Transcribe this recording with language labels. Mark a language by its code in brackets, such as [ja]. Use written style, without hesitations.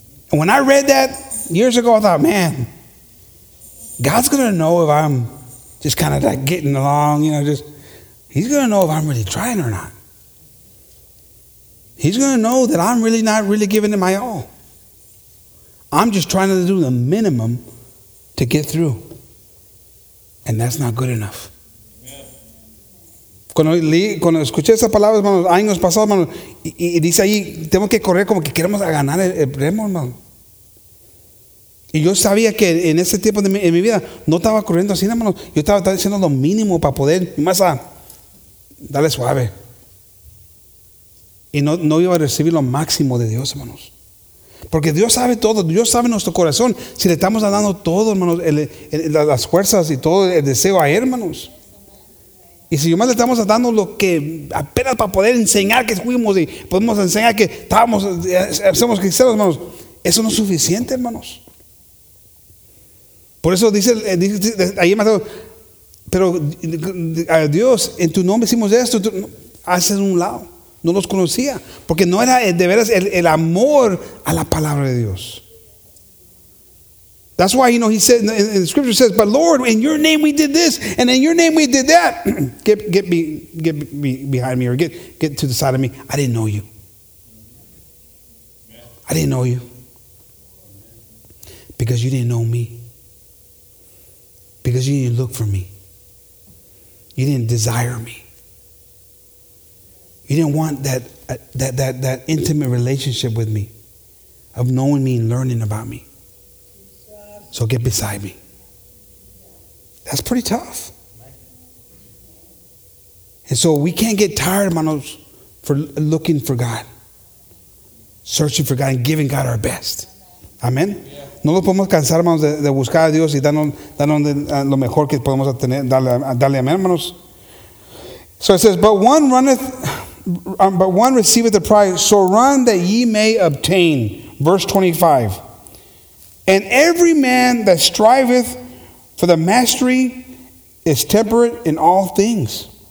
[en] And when I read that years ago, I thought, man, God's going to know if I'm just kind of like getting along, you know, just, He's going to know if I'm really trying or not. He's going to know that I'm really not really giving it my all. I'm just trying to do the minimum to get through. And that's not good enough. [es] Cuando escuché esas palabras, hermanos, años pasados, hermanos, y dice ahí, tengo que correr como que queremos ganar el premio, hermano. Y yo sabía que en ese tiempo de mi vida no estaba corriendo así, hermano. Yo estaba haciendo lo mínimo para poder, más a darle suave. Y no iba a recibir lo máximo de Dios, hermanos. Porque Dios sabe todo, Dios sabe nuestro corazón. Si le estamos dando todo, hermanos, las fuerzas y todo el deseo a él, hermanos. Y si nomás le estamos dando lo que apenas para poder enseñar que fuimos y podemos enseñar que estábamos, somos cristianos, hermanos, eso no es suficiente, hermanos. Por eso dice ahí Mateo, pero a Dios, en tu nombre hicimos esto, tú, haces un lado, no los conocía, porque no era de veras el amor a la palabra de Dios. [en] That's why, you know, he said, in the scripture says, but Lord, in your name we did this, and in your name we did that. get to the side of me. I didn't know you. I didn't know you. Because you didn't know me. Because you didn't look for me. You didn't desire me. You didn't want that intimate relationship with me, of knowing me and learning about me. So get beside me. That's pretty tough. And so we can't get tired, hermanos, for looking for God. Searching for God and giving God our best. Amen. [es] No lo podemos cansar, hermanos, de buscar a Dios y darnos lo mejor que podemos tener. Dale amén, hermanos. [en] So it says, but one receiveth the prize, so run that ye may obtain. Verse 25. And every man that striveth for the mastery is temperate in all things.